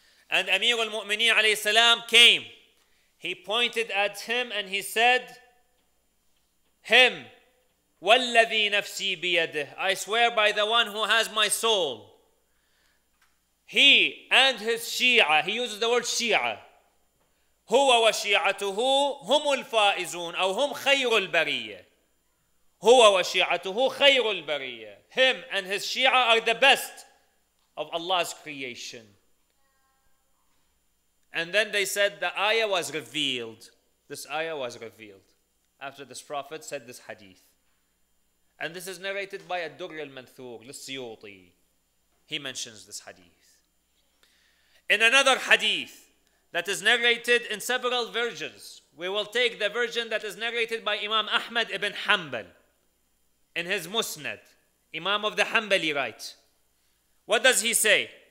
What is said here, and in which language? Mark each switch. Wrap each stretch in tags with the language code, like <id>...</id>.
<en>And Amir al-Mu'mineen alayhi salam came. He pointed at him and he said, Him,</en> <ar>وَالَّذِي نَفْسِي بِيَدِهِ</ar> <en>I swear by the one who has my soul. He and his Shia, he uses the word Shia.</en> <ar>هُوَ وَشِيعَتُهُ هُمُ الْفَائِزُونَ أَوْ هُمْ خَيْرُ الْبَرِيَّةِ هُوَ وَشِيعَتُهُ خَيْرُ الْبَرِيَّةِ</ar> <en>Him and his Shia are the best of Allah's creation. And then they said the ayah was revealed. This ayah was revealed. After this prophet said this hadith. And this is narrated by Ad-Durr al-Manthur, al-Siyuti. He mentions this hadith. In another hadith that is narrated in several versions, we will take the version that is narrated by Imam Ahmad ibn Hanbal in his Musnad, Imam of the Hanbali writes. What does he say?</en>